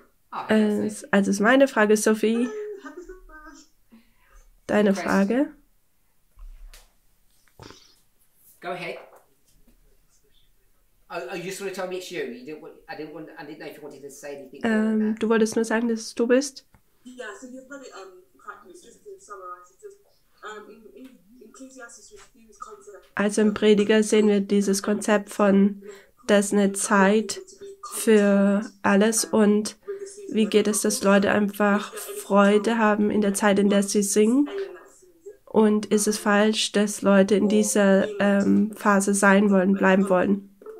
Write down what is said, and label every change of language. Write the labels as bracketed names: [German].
[German] Also ist meine Frage, Sophie. Deine Frage. [English] Go ahead. [German] Du wolltest nur sagen, dass du bist? [English] Yeah, so you're probably just to summarize it, in Ecclesiastes we see this concept. [German] Also im Prediger sehen wir dieses Konzept von, dass eine Zeit für alles und wie geht es, dass Leute einfach Freude haben in der Zeit, in der sie singen? Und ist es falsch, dass Leute in dieser Phase sein wollen, bleiben wollen?